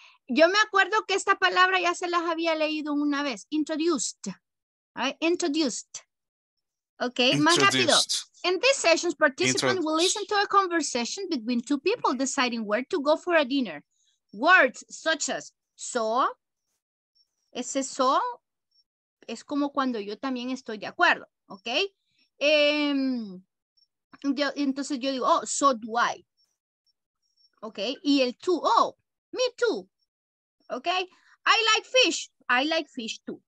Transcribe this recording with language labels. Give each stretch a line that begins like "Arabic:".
Spanish: Yo me acuerdo que esta palabra ya se las había leído una vez.
English: Introduced. Right? Introduced. Okay, introduced.
Spanish: Más rápido.
English: In this session, participants will listen to a conversation between two people deciding where to go for a dinner. Words such as so.
Spanish: Ese so es como cuando yo también estoy de acuerdo.
English: Okay.
Spanish: Entonces yo digo,
English: oh, so do I. Okay.
Spanish: Y el tú,
English: oh, me too. Okay, I like fish too.